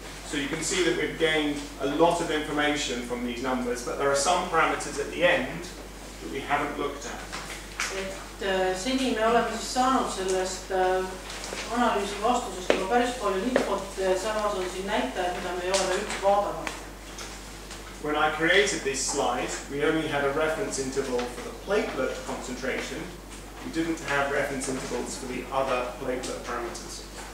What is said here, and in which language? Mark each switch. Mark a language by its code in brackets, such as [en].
[en] So you can see that we've gained a lot of information from these numbers, but there are some parameters at the end that we haven't looked at. [et] Et seni me oleme siis saanud sellest analüüsi vastusest juba päris palju infot, samas on siin näitaja, mida me ei ole üks vaadanud. [en] When I created this slide, we only had a reference interval for the platelet concentration. We didn't have reference intervals for the other platelet parameters.